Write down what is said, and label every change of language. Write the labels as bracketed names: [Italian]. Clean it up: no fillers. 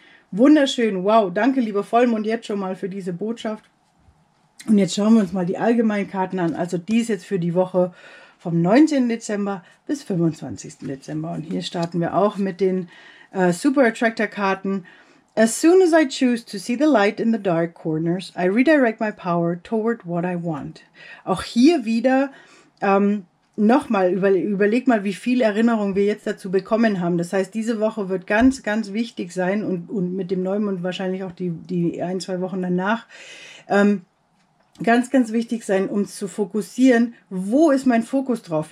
[German] Wunderschön, wow, danke lieber Vollmond jetzt schon mal für diese Botschaft. Und jetzt schauen wir uns mal die allgemeinen Karten an. Also die ist jetzt für die Woche vom 19. Dezember bis 25. Dezember. Und hier starten wir auch mit den Super Attractor Karten. [English] As soon as I choose to see the light in the dark corners, I redirect my power toward what I want. [German] Auch hier wieder nochmal, überleg mal, wie viel Erinnerung wir jetzt dazu bekommen haben. Das heißt, diese Woche wird ganz, ganz wichtig sein und mit dem Neumond wahrscheinlich auch die ein, zwei Wochen danach. Ganz, ganz wichtig sein, um zu fokussieren, wo ist mein Fokus drauf?